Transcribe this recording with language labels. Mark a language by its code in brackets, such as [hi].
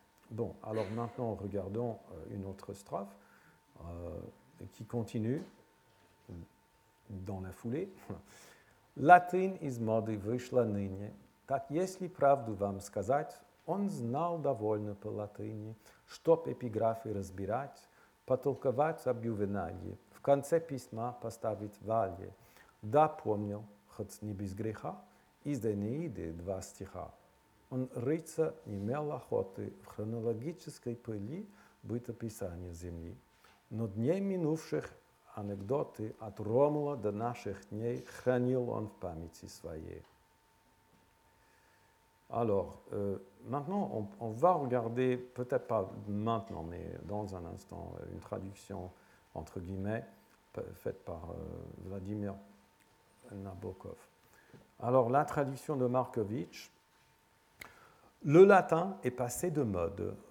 [fr] Bon, alors maintenant, regardons une autre strophe qui continue dans la foulée. [ru] Latin из моды вышла ныне. Так если правду вам сказать, он знал довольно по латыни, чтоб эпиграфы разбирать, потолковать об ювенале, в конце письма поставить валье. Да, помнил, хоть не без греха, из Энеиды два стиха. Он рыться не имел охоты в хронологической пыли бытописания земли. Но дней минувших анекдоты от Ромула до наших дней хранил он в памяти своей. [fr] Alors, maintenant, on va regarder, peut-être pas maintenant, mais dans un instant, une traduction, entre guillemets, faite par Vladimir Nabokov. Alors, la traduction de Markovitch. Le latin est passé de mode.